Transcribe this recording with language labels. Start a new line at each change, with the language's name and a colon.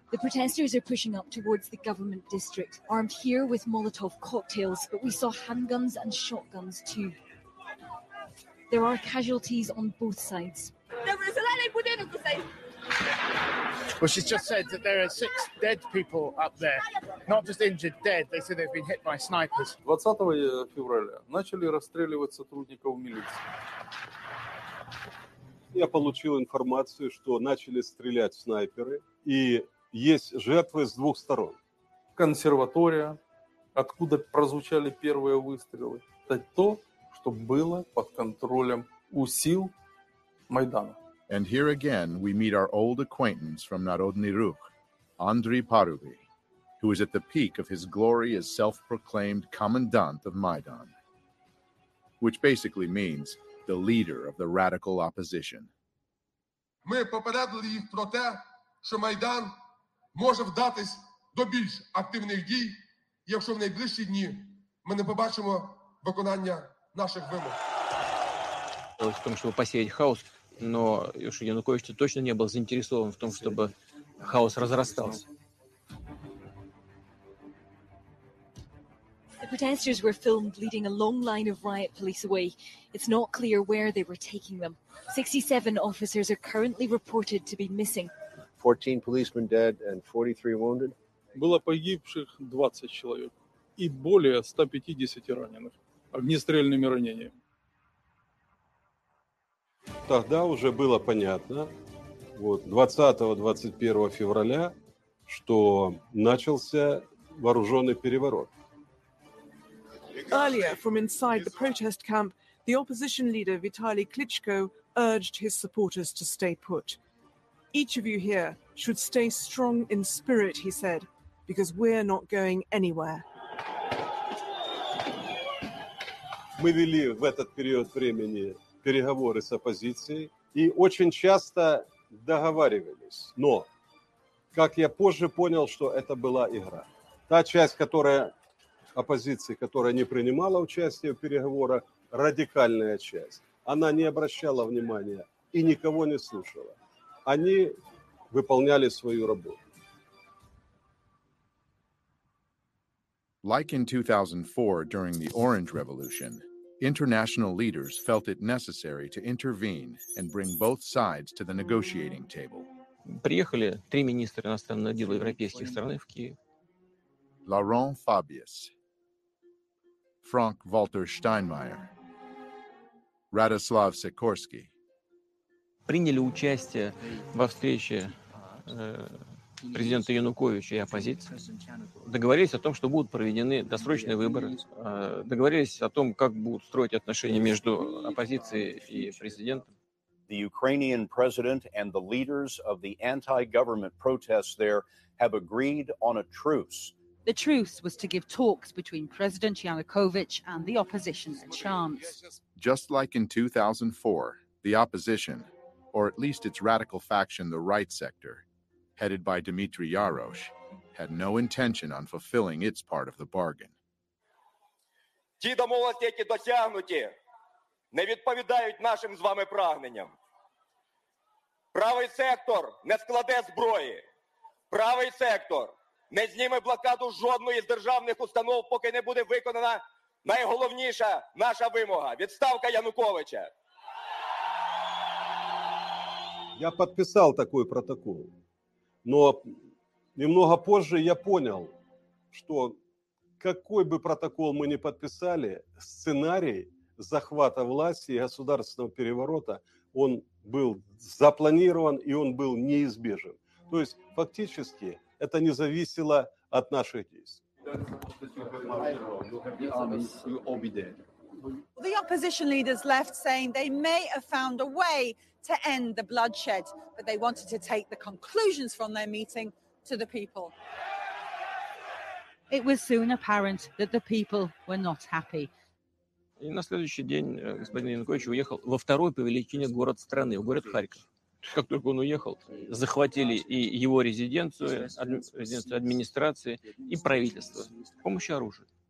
English: The protesters are pushing up towards the government district, armed here with Molotov cocktails, but we saw handguns and shotguns too. There are casualties on both sides. Well, she's just said that there are six dead people up there. Not just injured, dead. They said they've been hit by snipers.
Russian: 20 февраля начали
Ukrainian: розстрілювати
Russian: сотрудників міліції. Я получил информацию, что начали стрелять снайперы, и есть жертвы с двух сторон. Консерватория, откуда прозвучали первые выстрелы, это то, что было под контролем у сил Майдана.
English: And here again we meet our old acquaintance from Narodny Rukh, Andriy Paruby, who is at the peak of his glory as self-proclaimed commandant of Maidan, which basically means the leader of the radical opposition.
Ukrainian: Ми попередили їх про те, що Майдан може вдатись до більш активних дій, якщо в найближчі дні ми не побачимо виконання наших вимог. В тому, щоб посіяти хаос, но що Янукович точно не був заінтересован в тому, щоб хаос розростався.
English: The protesters were filmed leading a long line of riot police away. It's not clear where they were taking them. 67 officers are currently reported to be missing. 14 policemen dead and 43 wounded.
Ukrainian: Було
Russian: погибших
Ukrainian: 20 чоловік і більше 150 поранених.
Russian: огнестрельными ранениями. Тогда уже было понятно, вот 20-21 февраля, что начался вооруженный переворот.
English: Earlier, from inside the protest camp, the opposition leader Vitali Klitschko urged his supporters to stay put. Each of you here should stay strong in spirit, he said, because we're not going anywhere.
Russian: Мы вели в этот период времени переговоры с оппозицией и очень часто договаривались. Но, как я позже понял, что это была игра. Та часть, которая оппозиции, которая не принимала участие в переговорах, радикальная часть, она не обращала внимания и никого не слушала. Они выполняли свою работу.
English: Like in 2004 during the Orange Revolution, international leaders felt it necessary to intervene and bring both sides to the negotiating table.
Russian: Приехали три министра иностранных дел европейских стран в Киев. Laurent Fabius, Frank-Walter Steinmeier, Radoslav Sikorsky. Приняли участие во встрече президента Януковича и оппозиции, договорились о том, что будут проведены досрочные выборы, договорились о том, как будут строить отношения между оппозицией и президентом.
English: The Ukrainian president and the leaders of the anti-government protests there have agreed on a truce. The truce was to give talks between President Yanukovych and the opposition a chance. Just like in 2004, the opposition, or at least its radical faction, the right sector, headed by Dmitry Yarosh, had no intention on fulfilling its part of the bargain.
Ukrainian: Ті домовленості, які досягнуті, не відповідають нашим з вами прагненням. Правий сектор не складе зброї. Правий сектор не зніме блокаду жодної з державних установ, поки не буде виконана найголовніша наша вимога – відставка Януковича. Я підписав такий протокол, але
Russian: немного позже
Ukrainian: я зрозумів, що який би протокол ми не підписали, сценарій захвату влади і державного перевороту, він був запланований і він був
Russian: неизбежен.
Ukrainian: Тобто, фактично,
Russian: это не зависело от наших действий.
English: The opposition leaders left saying they may have found a way to end the bloodshed, but they wanted to take the conclusions from their meeting to the people. It was soon apparent that the people were not happy.
Russian: И на следующий день господин Янукович уехал во второй по величине город страны, в город Харьков. Как только он уехал, захватили и его резиденцию, резиденцию администрации и правительство с помощью оружия.